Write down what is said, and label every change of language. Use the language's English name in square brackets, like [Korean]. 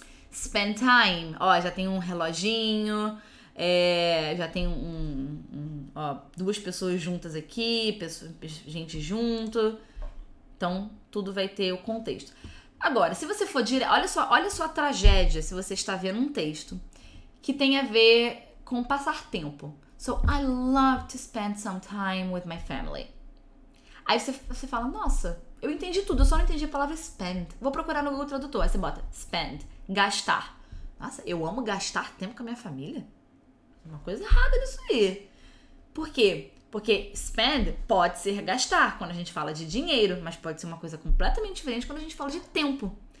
[Portuguese] Spend time, ó, já tem um reloginho, já tem ó, duas pessoas juntas aqui, gente junto, então tudo vai ter o contexto. Agora, se você for direto, olha só a tragédia se você está vendo um texto que tem a ver com passar tempo. [English] So, I love to spend some time with my family. [Portuguese] Aí você fala, nossa, eu entendi tudo, eu só não entendi a palavra spend. Vou procurar no Google Tradutor. Aí você bota, spend, gastar. Nossa, eu amo gastar tempo com a minha família? Uma coisa errada nisso aí. Por quê? Porque spend pode ser gastar quando a gente fala de dinheiro, mas pode ser uma coisa completamente diferente quando a gente fala de tempo.